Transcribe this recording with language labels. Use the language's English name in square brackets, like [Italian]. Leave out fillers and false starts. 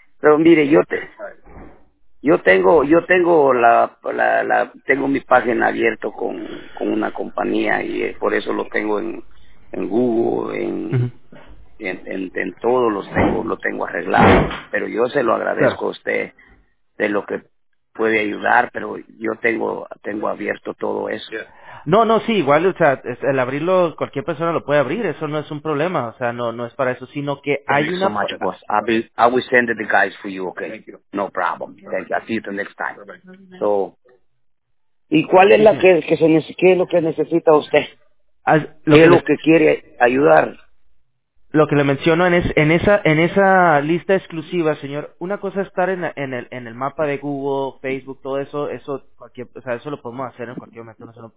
[Spanish] Pero mire, yo tengo la tengo mi página abierto con una compañía y por eso lo tengo en Google, en todos los tengo arreglado. Pero yo se lo agradezco a usted de lo que puede ayudar, pero yo tengo abierto todo eso. [English] Yeah. [Spanish] No, no, sí, igual, o sea, el abrirlo, cualquier persona lo puede abrir, eso no es un problema, o sea, no es para eso, sino que hay [English] thank [Spanish] una... [English] So much, boss. I will send the guys for you, okay? Thank you. No problem. Thank you. I'll see you the next time. Perfect. [Spanish] So, ¿y cuál es la que se necesita, qué es lo que necesita usted? ¿Qué es lo que quiere ayudar? Lo que le menciono en esa lista exclusiva, señor, una cosa es estar en el mapa de Google, Facebook, todo eso cualquier, o sea, eso lo podemos hacer en cualquier momento.